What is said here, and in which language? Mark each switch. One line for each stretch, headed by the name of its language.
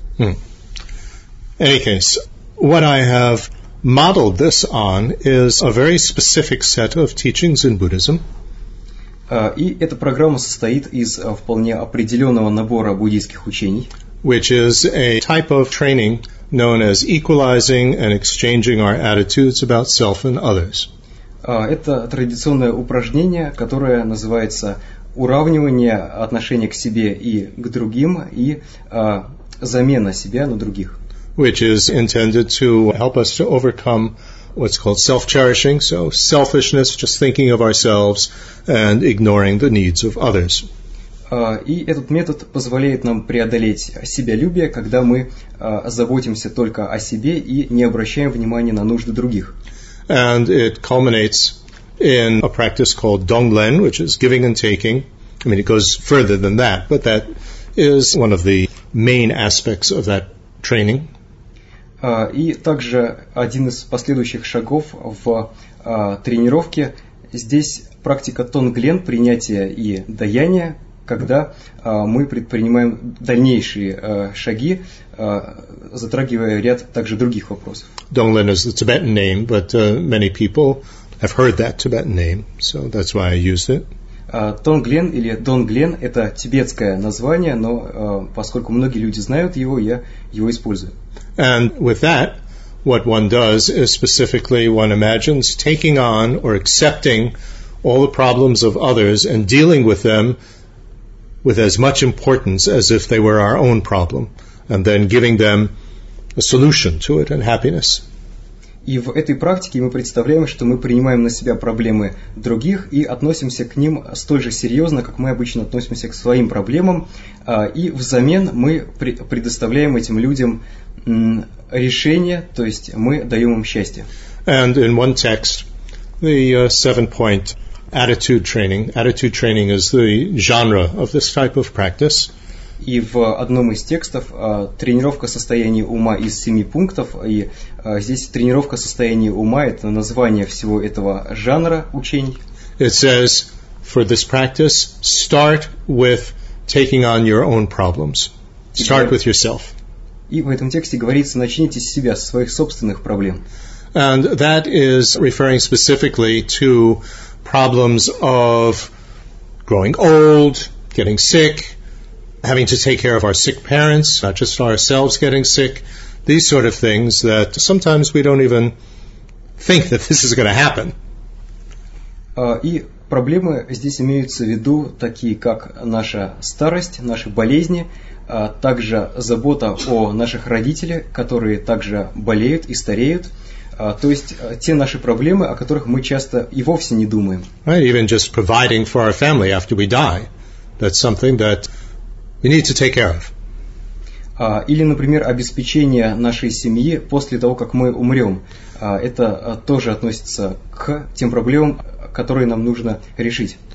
English: Hmm. In any case, what I have modeled this on is a very specific set of teachings in Buddhism.
Russian: И эта программа состоит из вполне определенного набора буддийских учений.
English: Which is a type of training known as equalizing and exchanging our attitudes about self and others.
Russian: Это традиционное упражнение, которое называется уравнивание отношения к себе и к другим и замена себя на других.
English: Which is intended to help us to overcome what's called self-cherishing, so selfishness, just thinking of ourselves and ignoring the needs of others.
Russian: И этот метод позволяет нам преодолеть себялюбие, когда мы заботимся только о себе и не обращаем внимания на нужды других.
English: And it culminates in a practice called Donglen, which is giving and taking. I mean, it goes further than that, but that is one of the main aspects of that training.
Russian: И также один из последующих шагов в тренировке. Здесь практика Тонглен, принятие и даяние. Когда мы предпринимаем дальнейшие шаги, затрагивая ряд также других вопросов.
English: Donglen is the Tibetan name, but many people have heard that Tibetan name, so that's why I used it.
Russian: Tonglen или Donglen – это тибетское название, но поскольку многие люди знают его, я его использую.
English: And with that, what one does is specifically one imagines taking on or accepting all the problems of others and dealing with them with as much importance as if they were our own problem, and then giving them a solution to it and happiness.
Russian: И в этой практике мы представляем, что мы принимаем на себя проблемы других и относимся к ним столь же серьезно, как мы обычно относимся к своим проблемам, и взамен мы предоставляем этим людям решение, то есть мы даем им счастье.
English: And in one text, the seven-point attitude training. Attitude training is the genre of this type of practice.
Russian: И в одном из текстов тренировка состояния ума из семи пунктов, и здесь тренировка состояния ума – это название всего этого жанра учений.
English: It says, for this practice, start with taking on your own problems. Start with yourself.
Russian: И в этом тексте говорится, начните с себя, со своих собственных проблем.
English: And that is referring specifically to problems of growing old, getting sick, having to take care of our sick parents, not just ourselves getting sick, these sort of things that sometimes we don't even think that this is going to happen.
Russian: И проблемы здесь имеются в виду такие, как наша старость, наши болезни, также забота о наших родителях, которые также болеют и стареют, то есть те наши проблемы, о которых мы часто и вовсе не думаем.
English: Right, even just providing for our family after we die, that's something that we need to take care of.
Russian: Или, например, обеспечение нашей семьи после того, как мы умрем. Это тоже относится к тем проблемам, которые нам нужно решить.